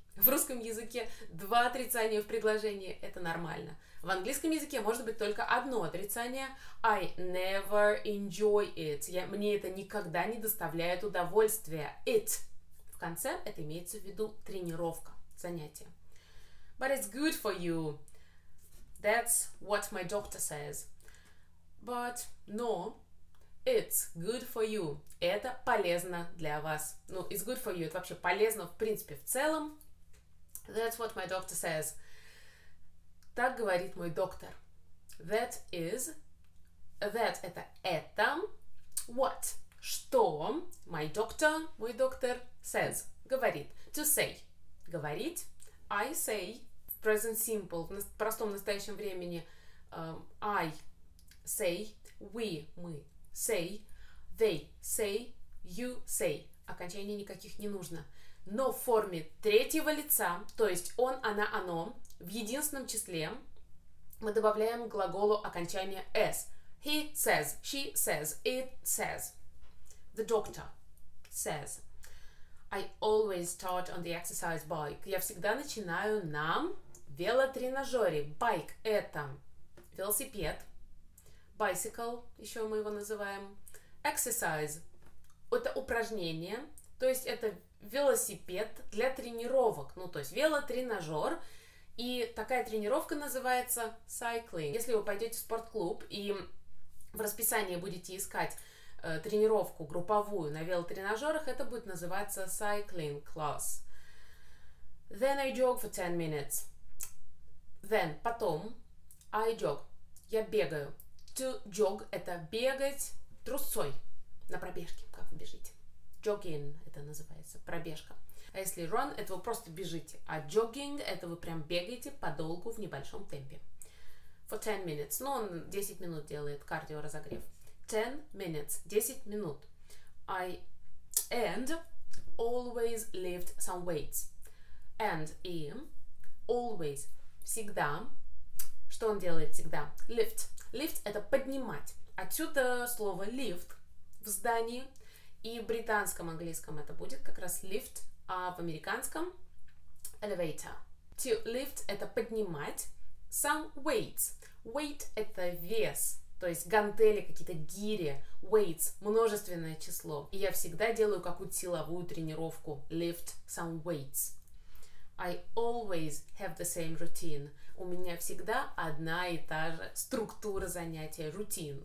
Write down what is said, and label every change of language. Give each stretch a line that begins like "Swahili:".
Russian: В русском языке два отрицания в предложении – это нормально. В английском языке может быть только одно отрицание.
English: I never enjoy it.
Russian: Мне это никогда не доставляет удовольствия.
English: It.
Russian: В конце это имеется в виду тренировка. Занятия.
English: But it's good for you. That's what my doctor says. But no, it's good for you.
Russian: Это полезно для вас.
English: Ну, it's good for you.
Russian: Это вообще полезно в принципе в целом.
English: That's what my doctor says.
Russian: Так говорит мой доктор.
English: That is.
Russian: That это.
English: What?
Russian: Что?
English: My doctor.
Russian: Мой доктор
English: says.
Russian: Говорит.
English: To say.
Russian: Говорить.
English: I say
Russian: в present simple, в простом настоящем времени.
English: I say, we,
Russian: мы
English: say, they say, you say.
Russian: Окончаний никаких не нужно. Но в форме третьего лица, то есть он, она, оно, в единственном числе мы добавляем к глаголу окончание s.
English: He says, she says, it says. The doctor says. I always start on the exercise bike.
Russian: Я всегда начинаю на велотренажере. Bike – это велосипед. Bicycle – еще мы его называем. Exercise – это упражнение. То есть это велосипед для тренировок. Ну, то есть велотренажер. И такая тренировка называется cycling. Если вы пойдете в спортклуб и в расписании будете искать тренировку групповую на велотренажерах, это будет называться cycling class.
English: Then I jog for 10 minutes. Then,
Russian: потом,
English: I jog,
Russian: я бегаю.
English: To jog
Russian: – это бегать трусцой на пробежке, как вы бежите. Jogging – это называется пробежка. А если run – это вы просто бежите, а jogging – это вы прям бегаете подолгу в небольшом темпе.
English: For 10 minutes.
Russian: Ну, он 10 минут делает кардиоразогрев.
English: 10 minutes,
Russian: 10 минут.
English: I and always lift some weights. And
Russian: и
English: always,
Russian: всегда. Что он делает всегда? Lift. Lift – это поднимать. Отсюда слово lift в здании. И в британском английском это будет как раз lift, а в американском elevator.
English: To lift
Russian: – это поднимать.
English: Some weights.
Russian: Weight – это вес. То есть гантели, какие-то гири, weights, множественное число. И я всегда делаю какую-то силовую тренировку.
English: Lift some weights. I always have the same routine.
Russian: У меня всегда одна и та же структура занятия, рутин.